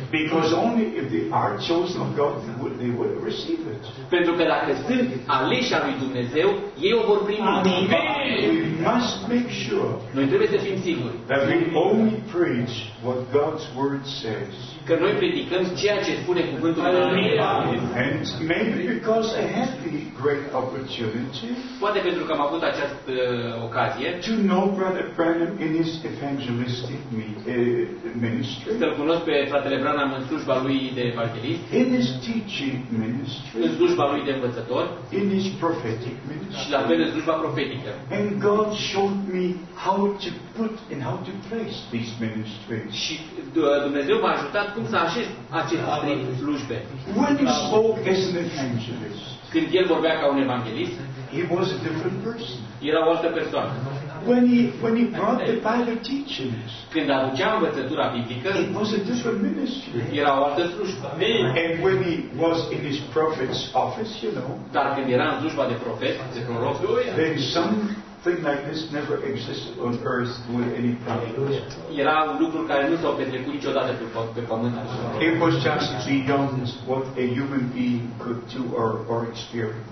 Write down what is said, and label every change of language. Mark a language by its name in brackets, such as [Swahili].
[English] Because only if they are chosen of God, they would receive it. [Romanian] Pentru că dacă sunt aleși al lui Dumnezeu, ei o vor primi. [English] Amen. We must make sure. [Romanian] Noi trebuie să fim siguri. [English] That we only preach what God's word says. [Romanian] Că noi predicăm ceea ce spune cuvântul lui Dumnezeu. [English] And maybe because I have the great opportunity. [Romanian] Poate pentru că am avut această ocazie. [English] To know Brother Branham in his evangelistic ministry. [Romanian] Să-l cunosc pe fratele Branham în slujba lui de evanghelist, [English] in his teaching ministry, [Romanian] în slujba lui de învățător, [English] in his prophetic ministry, [Romanian] și la fel în slujba profetică. [English] And God showed me how to put and how to place these ministries. [Romanian] Și Dumnezeu m-a ajutat cum să așez aceste trei slujbe. [English] When he spoke as an evangelist, [Romanian] când el vorbea ca un evanghelist, [English] he was a different person. [Romanian] Era o altă persoană. [English] When he brought the Bible teachings, [Romanian] când aducea învățătura biblică, [English] it was a different ministry. [Romanian] Era o altă slujbă. [English] And when he was in his prophet's office, you know, [Romanian] dar când era în slujba de profet, de proroc, [English] then some thing like this never existed on earth with any problem. It was just beyond what a human being could do or experience.